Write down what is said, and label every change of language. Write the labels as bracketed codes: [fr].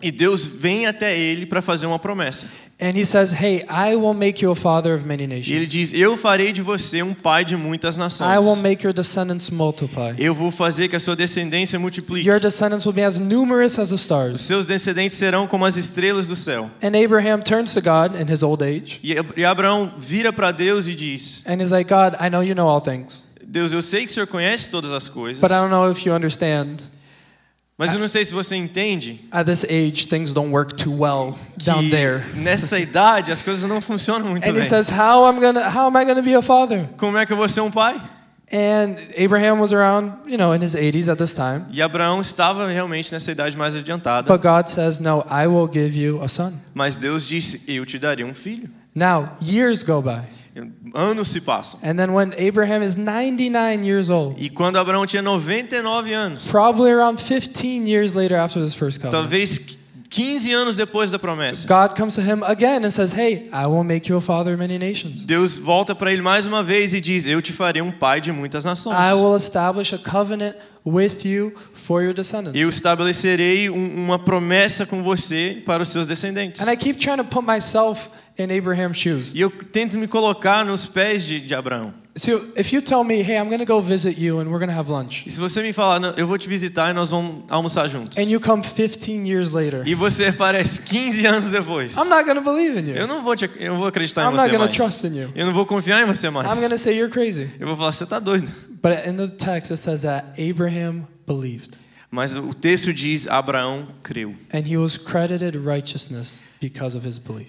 [pt] E Deus vem até ele para fazer uma promessa. [en] And he says, "Hey, I will make you a father of many nations." [pt] E ele diz, "Eu farei de você um pai de muitas nações." [en] "I will make your descendants multiply." [pt] Eu vou fazer que a sua descendência multiplique. [en] "Your descendants will be as numerous as the stars." [pt] Os seus descendentes serão como as estrelas do céu. [en] And Abraham turns to God in his old age. [pt] E Abraão vira para Deus e diz. [en] And he's like, "God, I know you know all things." [pt] Deus, eu sei que o Senhor conhece todas as coisas. [en] But I don't know if you understand. [pt] Mas eu não sei se você entende. [en] At this age, things don't work too well down there. [pt] Nessa idade, as coisas não funcionam muito [en] and [pt] bem. [en] And he says, how am I going to be a father? [pt] Como é que eu vou ser um pai? [en] And Abraham was around, you know, in his 80s at this time. [pt] E Abraão estava realmente nessa idade mais adiantada. [en] But God says, no, I will give you a son. [pt] Mas Deus disse, eu te darei um filho. [en] Now, years go by. [pt] Anos se passam. [en] And then when Abraham is 99 years old. [pt] E quando Abraão tinha 99 anos. [en] Probably around 15 years later after this first covenant. [pt] Talvez 15 anos depois da promessa. [en] God comes to him again and says, "Hey, I will make you a father of many nations." [pt] Deus volta para ele mais uma vez e diz, "Eu te farei um pai de muitas nações." [en] "I will establish a covenant with you for your descendants." [pt] Eu estabelecerei uma promessa com você para os seus descendentes. [en] And I keep trying to put myself in Abraham's shoes. [pt] Eu tento me colocar nos pés de Abraão. [en] So if you tell me, "Hey, I'm going to go visit you and we're going to have lunch." [pt] Se você me falar, eu vou te visitar e nós vamos almoçar juntos. [en] And you come 15 years later. [pt] E você aparece 15 anos depois. [en] I'm not going to believe in you. [pt] Eu não vou acreditar em você mais. [en] I'm not going to trust in you. [pt] Eu não vou confiar em você mais. [en] I'm going to say you're crazy. [pt] Eu vou falar, você tá doido. [en] But in the text it says that Abraham believed. [pt] Mas o texto diz Abraão creu. [en] And he was credited righteousness because of his belief.